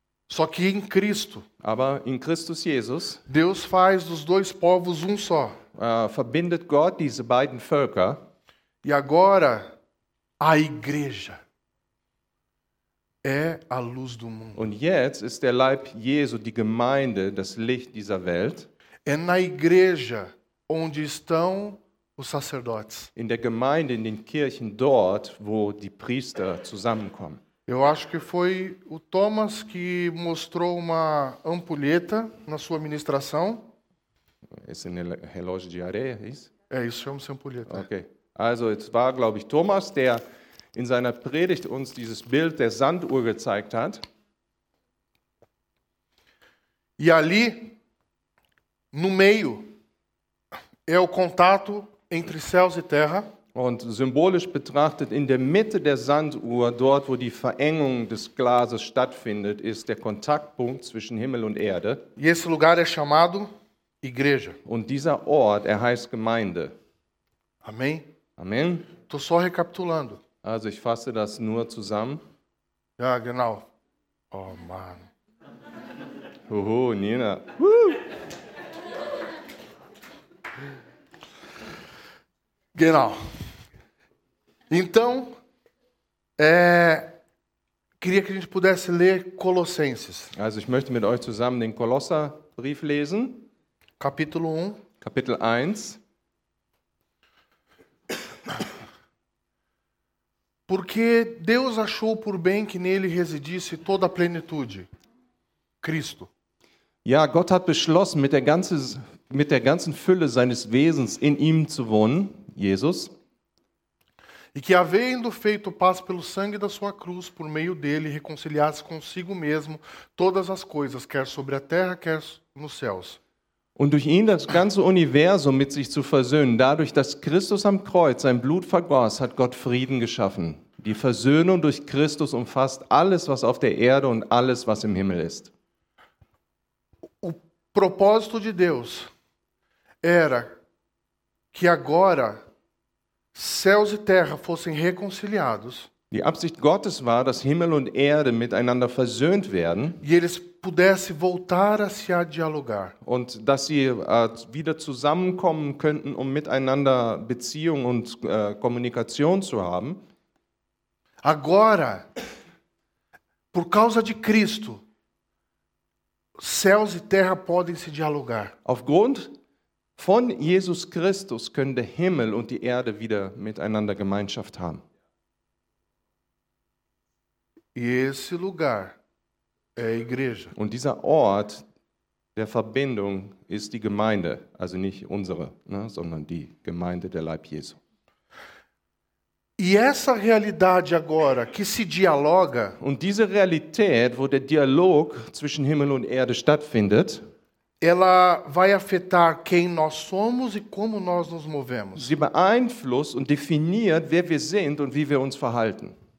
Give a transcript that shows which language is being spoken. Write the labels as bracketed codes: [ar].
[pt] Só que em Cristo. [de] Aber in Christus Jesus. [pt] Deus faz dos dois povos um só. [de] Verbindet Gott diese beiden Völker. [pt] E agora a igreja é a luz do mundo. [de] Und jetzt ist der Leib Jesu, die Gemeinde, das Licht dieser Welt. [pt] É na igreja onde estão os sacerdotes. [de] In der Gemeinde, in den Kirchen, dort, wo die Priester zusammenkommen. [pt] Eu acho que foi o Thomas que mostrou uma ampulheta na sua ministração. Esse relógio de areia, é isso? É, isso chama-se ampulheta. Ok. [de] Also, es war, glaube ich, Thomas, der in seiner Predigt uns dieses Bild der Sanduhr gezeigt hat. [pt] E ali, no meio, é o contato entre céus e terra. [de] Und symbolisch betrachtet, in der Mitte der Sanduhr, dort wo die Verengung des Glases stattfindet, ist der Kontaktpunkt zwischen Himmel und Erde. [pt] E esse lugar é chamado igreja. [de] Und dieser Ort, er heißt Gemeinde. [pt] Amém? Amém? Tô só recapitulando. [de] Also ich fasse das nur zusammen. Ja, genau. Oh Mann. Oho, Nina. Genau. [pt] Então, queria que a gente pudesse ler Colossenses. [de] Also, ich möchte mit euch zusammen den Kolosserbrief lesen. [pt] Capítulo 1. [de] Kapitel 1. [pt] Porque Deus achou por bem que nele residisse toda a plenitude. Cristo. [de] Ja, Gott hat beschlossen, mit der ganzen Fülle seines Wesens in ihm zu wohnen. Jesus. [pt] E que, havendo feito paz pelo sangue da sua cruz, por meio dele, reconciliasse consigo mesmo todas as coisas, quer sobre a terra, quer nos céus. [de] Und durch ihn das ganze Universum mit sich zu versöhnen, dadurch, dass Christus am Kreuz sein Blut vergoss, hat Gott Frieden geschaffen. Die Versöhnung durch Christus umfasst alles, was auf der Erde und alles, was im Himmel ist. [pt] O propósito de Deus era que agora céus e terra fossem reconciliados. [de] Die Absicht Gottes war, dass Himmel und Erde miteinander versöhnt werden. [pt] E eles pudessem voltar a se dialogar. [de] Und dass sie wieder zusammenkommen könnten, um miteinander Beziehung und Kommunikation zu haben. [pt] Agora, por causa de Cristo, céus e terra podem se dialogar. [de] Aufgrund von Jesus Christus können der Himmel und die Erde wieder miteinander Gemeinschaft haben. [pt] E esse lugar é a igreja. [de] Und dieser Ort Der Verbindung ist die Gemeinde, also nicht unsere, ne, sondern die Gemeinde der Leib Jesu. [pt] E essa realidade agora que se dialoga, [de] und diese Realität, wo der Dialog zwischen Himmel und Erde stattfindet, [pt] ela vai afetar quem nós somos e como nós nos movemos. [de] Sie beeinflusst und definiert, wer wir sind und wie wir uns verhalten.